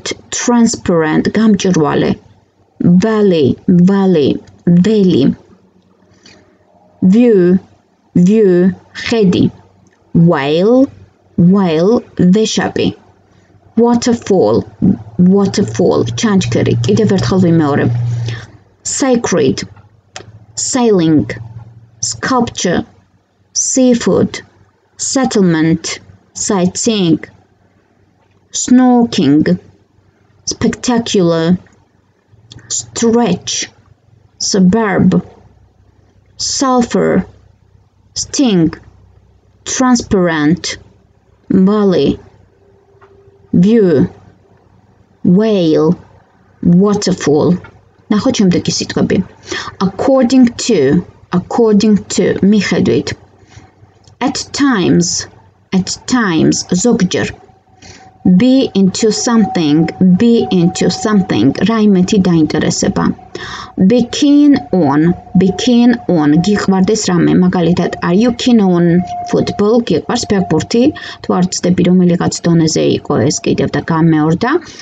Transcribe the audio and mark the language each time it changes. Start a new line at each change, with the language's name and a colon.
Georgian: transparent, გამჭვირვალე. valley, ველი. view, ხედი. whale, ვეშაპი. waterfall, ჩანჩქერი. კიდევ ერთხელ ვიმეორებ.
English: sacred, sailing, sculpture, seafood, settlement, sightseeing, snorkeling, spectacular, stretch, suburb, sulfur, sting, transparent, valley, view, whale, waterfall.
Georgian: ნახოთ შემდეგი სიტყვები.
English: According to,
Georgian: მიხედვით.
English: At times,
Georgian: ზოგჯერ.
English: Be into something,
Georgian: რაიმეთი დაინტერესება.
English: Be keen on,
Georgian: გიყვარდეს რამე, მაგალითად,
English: are you keen on football?
Georgian: გიყვარს ფეხბურთი, თუ არ ცდები რომელიღაც დონეზე იყო ეს კიდევ და გამეორდა.